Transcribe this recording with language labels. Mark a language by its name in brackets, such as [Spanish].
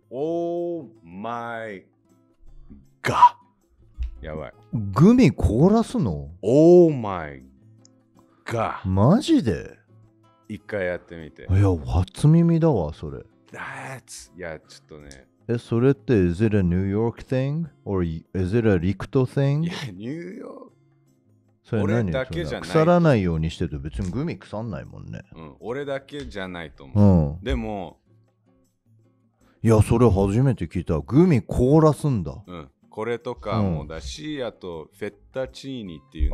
[Japanese] オーマイガー、やばい、グミ凍らすの、オーマイガー、マジで一回やってみて。いや初耳だわそれ。 [English] That's、 [Japanese] いやちょっとね、え、それって [English] is it a New York thing? or is it a Ricto thing? [Japanese] いや、ニューヨーク、それ何、俺だけじゃない、腐らないようにしてると別にグミ腐んないもんね、うん、俺だけじゃないと思う、うん、でもいや、それ初めて聞いた、グミ凍らすんだ、うん、これとかもだし、うん、あとフェッタチーニっていう、